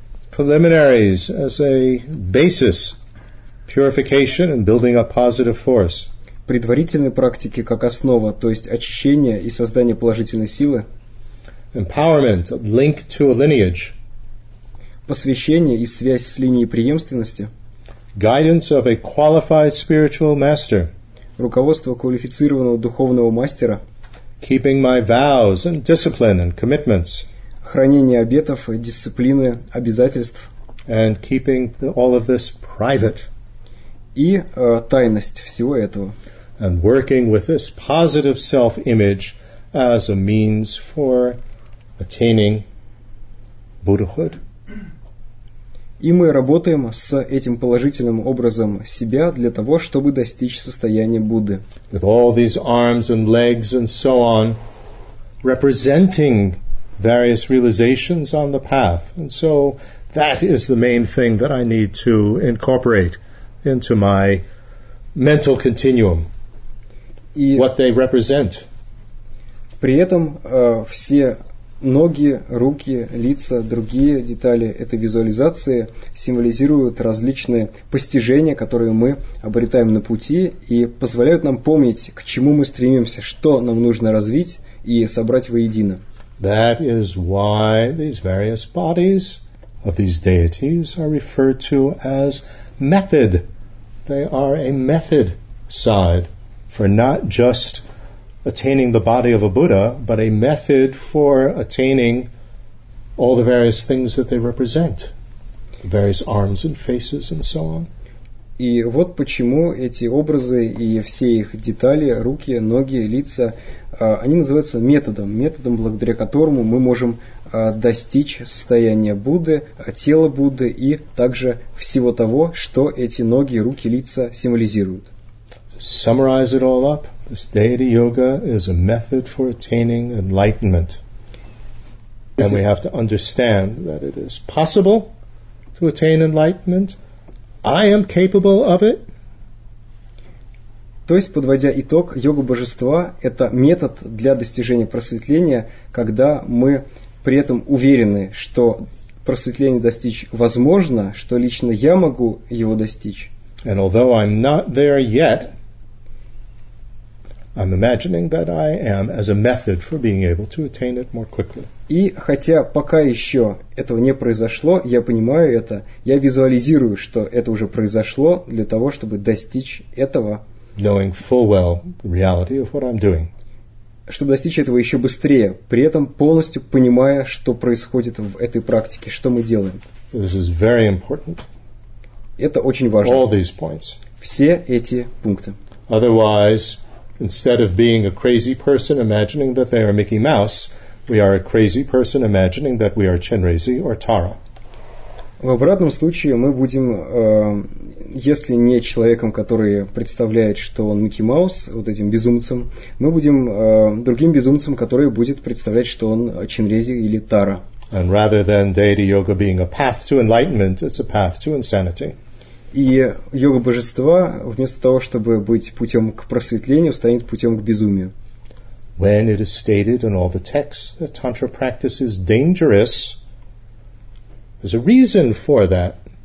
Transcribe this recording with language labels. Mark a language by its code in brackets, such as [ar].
[en] Preliminaries as a basis, purification and building up positive force. [ru] Предварительные практики как основа, то есть очищение и создание положительной силы. [en] Empowerment, link to a lineage. [ru] Посвящение и связь с линией преемственности. [en] Guidance of a qualified spiritual master. [ru] Руководство квалифицированного духовного мастера. [en] Keeping my vows and discipline and commitments. [ru] Хранение обетов, дисциплины, обязательств. [en] And keeping all of this private. [ru] И тайность всего этого. [en] And working with this positive self-image as a means for attaining Buddhahood. [ru] И мы работаем с этим положительным образом себя для того, чтобы достичь состояния Будды. [en] With all these arms and legs and so on, representing various realizations on the path. And so that is the main thing that I need to incorporate into my mental continuum. [ru] И [en] what they represent. [ru] При этом все ноги, руки, лица, другие детали этой визуализации символизируют различные постижения, которые мы обретаем на пути и позволяют нам помнить, к чему мы стремимся, что нам нужно развить и собрать воедино. [en] That is why these various bodies of these deities are referred to as method. They are a method side for not just attaining the body of a Buddha, but a method for attaining all the various things that they represent, the various arms and faces and so on. [ru] И вот почему эти образы и все их детали, руки, ноги, лица, они называются методом, методом, благодаря которому мы можем достичь состояния Будды, тела Будды и также всего того, что эти ноги, руки, лица символизируют. [en] To summarize it all up, this deity yoga is a method for attaining enlightenment. And we have to understand that it is possible to attain enlightenment. I am capable of it. [ru] То есть, подводя итог, йога божества – это метод для достижения просветления, когда мы при этом уверены, что просветление достичь возможно, что лично я могу его достичь. [en] And although I'm not there yet, I'm imagining that I am as a method for being able to attain it more quickly. [ru] И хотя пока еще этого не произошло, я понимаю это, я визуализирую, что это уже произошло для того, чтобы достичь этого. [en] Knowing full well the reality of what I'm doing. [ru] Чтобы достичь этого еще быстрее, при этом полностью понимая, что происходит в этой практике, что мы делаем. [en] This is very important. [ru] Это очень важно. [en] All these points. [ru] Все эти пункты. [en] Otherwise, instead of being a crazy person imagining that they are Mickey Mouse, we are a crazy person imagining that we are Chenrezig or Tara. [ru] В обратном случае мы будем, если не человеком, который представляет, что он Микки Маус, вот этим безумцем, мы будем другим безумцем, который будет представлять, что он Чинрези или Тара. [en] And rather than deity yoga being a path to enlightenment, it's a path to insanity. [ru] И йога божества, вместо того, чтобы быть путем к просветлению, станет путем к безумию. [en] When it is stated in all the texts that tantra practice is dangerous, there's a reason for that.